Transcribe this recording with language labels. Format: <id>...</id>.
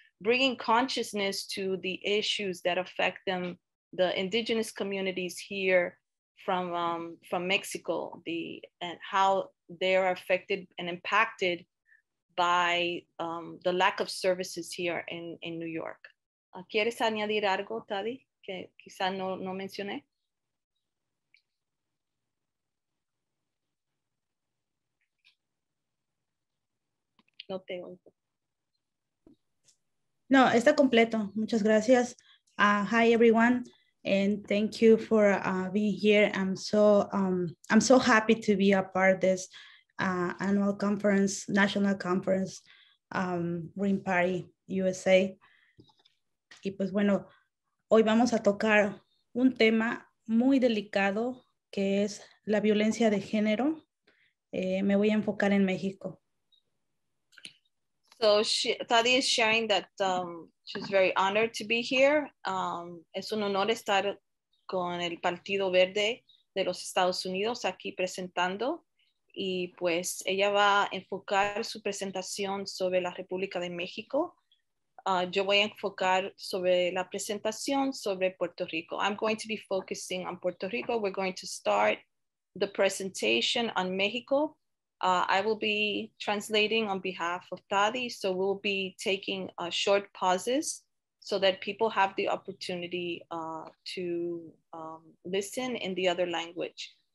<en>bringing consciousness to the issues that affect them, the indigenous communities here from Mexico, and how they're affected and impacted by the lack of services here in New York.</en> <es>¿Quieres añadir algo, Tadii, que quizá no mencioné? No te oigo. No, está completo. Muchas gracias.</es> <en>Hi, everyone. And thank you for being here. I'm so happy to be a part of this annual conference, national conference, Green Party USA.</en> <es>Y pues bueno, hoy vamos a tocar un tema muy delicado que es la violencia de género. Me voy a enfocar en México.</es> <en>So Tadii is sharing that she's very honored to be here.</en> <es>Es un honor estar con el Partido Verde de los Estados Unidos aquí presentando. Y pues ella va a enfocar su presentación sobre la República de México. Yo voy a enfocar sobre la presentación sobre Puerto Rico.</es> <en>I'm going to be focusing on Puerto Rico. We're going to start the presentation on Mexico. I will be translating on behalf of Tadii, so we'll be taking short pauses so that people have the opportunity to listen in the other language.</en>